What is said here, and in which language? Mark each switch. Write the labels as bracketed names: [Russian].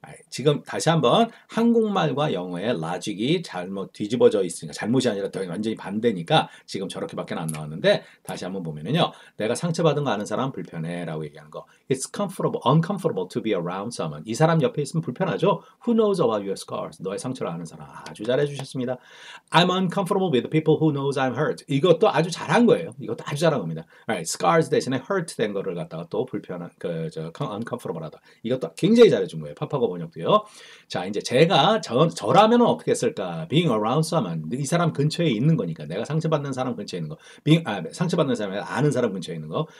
[Korean] 지금 다시 한번 한국말과 영어의 라직이 잘못 뒤집어져 있으니까, 잘못이 아니라 완전히 반대니까 지금 저렇게밖에 안 나왔는데, 다시 한번 보면은요, 내가 상처받은 거 아는 사람 불편해라고 얘기하는 거. [English] It's comfortable, uncomfortable to be around someone. [Korean] 이 사람 옆에 있으면 불편하죠? [English] Who knows about your scars? [Korean] 너의 상처를 아는 사람. 아주 잘해주셨습니다. [English] I'm uncomfortable with people who knows I'm hurt. [Korean] 이것도 아주 잘한 거예요. 이것도 아주 잘한 겁니다. Right, scars 대신에 hurt 된 거를 갖다가 또 불편한, uncomfortable하다. 이것도 굉장히 잘해준 거예요. 파파고 번역도요. 자, 이제 제가 저라면 어떻게 했을까? [English] Being around someone. [Korean] 이 사람 근처에 있는 거니까. 내가 상처받는 사람 근처에 있는 거. 상처받는 사람, 아는 사람 근처에 있는 거.